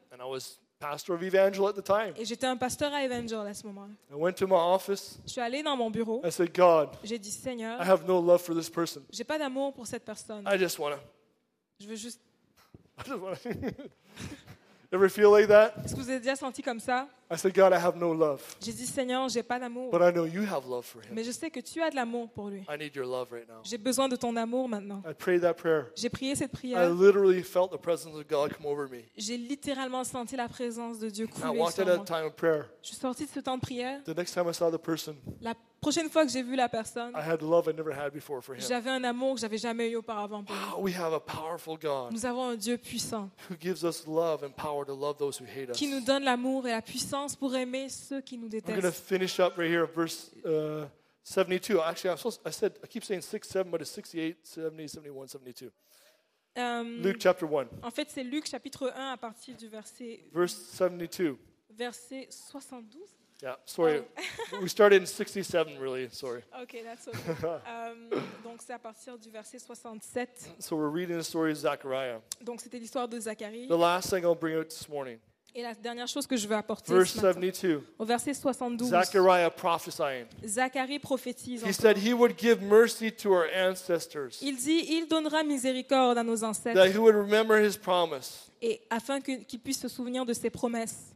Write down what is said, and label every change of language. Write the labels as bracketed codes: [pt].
[en] And I was pastor of Evangel at the time. [fr] Et j'étais un pasteur à Evangel à ce moment-là. [en] I went to my office. [fr] Je suis allé dans mon bureau. [en] I said, God, [fr] j'ai dit, Seigneur, [en] I have no love for this person. [fr] J'ai pas d'amour pour cette personne. [en] I just wanna. [fr] Je veux juste. [en] I just wanna. Ever feel like that? [fr] Est-ce que vous avez déjà senti comme ça? [en] I said, God, I have no love. [fr] J'ai dit, Seigneur, j'ai pas d'amour. [en] But I know you have love for him. [fr] Mais je sais que tu as de l'amour pour lui. [en] I need your love right now. [fr] J'ai besoin de ton amour maintenant. [en] I prayed that prayer. [fr] J'ai prié cette prière. [en] I literally felt the presence of God come over me. [fr] J'ai littéralement senti la présence de Dieu couler sur moi. [en] I walked out of time of prayer. [fr] Je suis sorti de ce temps de prière. [en] The next time I saw the person. [fr] La prochaine fois que j'ai vu la personne. [en] I had love I never had before for him. [fr] J'avais un amour que j'avais jamais eu auparavant pour lui. [en] Wow, we have a powerful God. [fr] Nous avons un Dieu puissant. [en] Who gives us love and power to love those who hate us. [fr] Qui nous donne l'amour et la puissance pour aimer ceux qui nous détestent. [en] We're going to finish up right here at verse 72. Actually, I keep saying 67, but it's 68, 70, 71, 72. Luke chapter 1. [fr] En fait, c'est Luc chapitre 1 à partir du verset. [en] Verse 72. [fr] Verset 72. [en] Yeah, sorry. Oh. We started in 67, really. Sorry. Okay, that's okay. [fr] Donc c'est à partir du verset 67. [en] So we're reading the story of Zachariah. [fr] Donc c'était l'histoire de Zacharie. [en] The last thing I'll bring out this morning. [fr] Et la dernière chose que je veux apporter [en] verse [fr] ce matin, [en] 72, [fr] au verset 72, [en] Zachariah prophesying. [fr] Zacharie prophétise. [en] He said he would give mercy to our ancestors. [fr] Il dit il donnera miséricorde à nos ancêtres. [en] That he would remember his promise. [fr] Et afin qu'il puisse se souvenir de ses promesses.